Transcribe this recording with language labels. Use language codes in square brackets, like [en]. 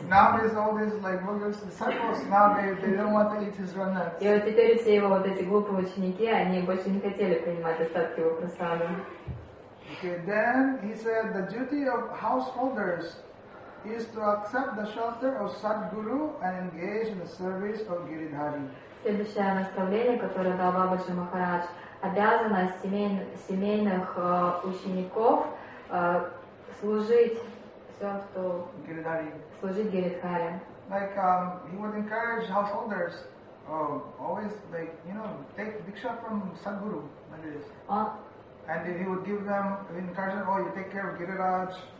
[en] Now there's all these like religious disciples. Now they don't want to eat his remnants. [ru] И вот теперь все его вот эти глупые ученики, они больше не хотели принимать остатки его просада. [en] Okay, then he said the duty of householders is to accept the shelter of Sadguru and engage in the service of Giridhari. [ru] Следующее наставление, которое дал Бабаджи Махарадж, обязанность семейных учеников служить Гиридхаре. [en] Like he would encourage householders always like you know take diksha from Sadguru Maharaj. And he would give them encouragement, oh, you take care of Giriraj.